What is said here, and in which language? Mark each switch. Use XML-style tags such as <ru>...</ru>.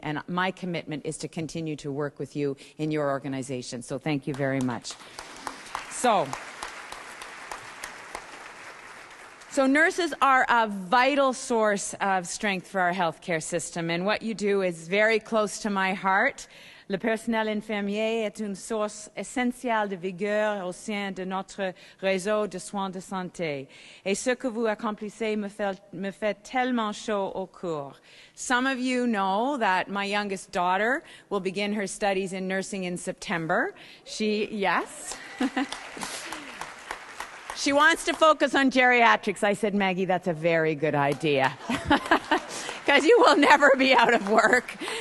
<en>And my commitment is to continue to work with you in your organization. So thank you very much. So nurses are a vital source of strength for our healthcare system. And what you do is very close to my heart.</en> <fr>Le personnel infirmier est une source essentielle de vigueur au sein de notre réseau de soins de santé. Et ce que vous accomplissez me fait tellement chaud au cœur.</fr> <en>Some of you know that my youngest daughter will begin her studies in nursing in September. Yes. She wants to focus on geriatrics. I said, Maggie, that's a very good idea. Because you will never be out of work.</en>